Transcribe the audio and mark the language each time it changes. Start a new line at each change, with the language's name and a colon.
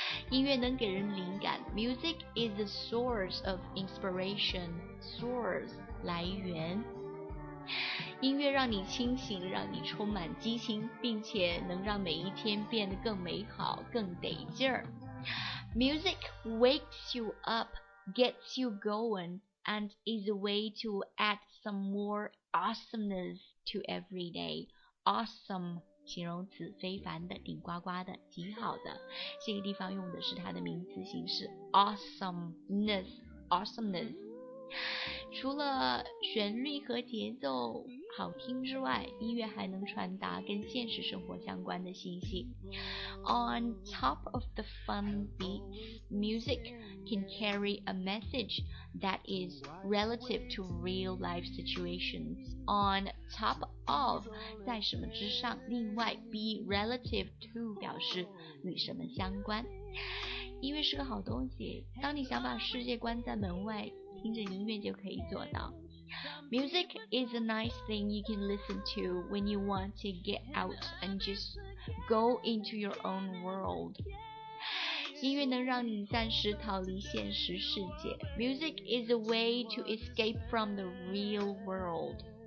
Chinese: 音乐能给人灵感。
English: Music is a source of inspiration.
Chinese: Source, 来源。音乐让你清醒，让你充满激情，并且能让每一天变得更美好，更得劲儿。
English: Music wakes you up, gets you going, and is a way to add some more awesomeness to every day.
Chinese: Awesome, 形容词，非凡的，顶呱呱的，极好的。这个地方用的是它的名词形式 awesomeness, awesomeness. 除了旋律和节奏好听之外，音乐还能传达跟现实生活相关的信息。
English: On top of the fun beats, music can carry a message that is relative to real life situations.
Chinese: On top of, 在什么之上，另外 be relative to 表示与什么相关。音乐是个好东西，当你想把世界关在门外，听着音乐就可以做到。
English: Music is a nice thing you can listen to when you want to get out and just go into your own world.
Chinese: 音乐能让你暂时逃离现实世界。
English: Music is a way to escape from the real world.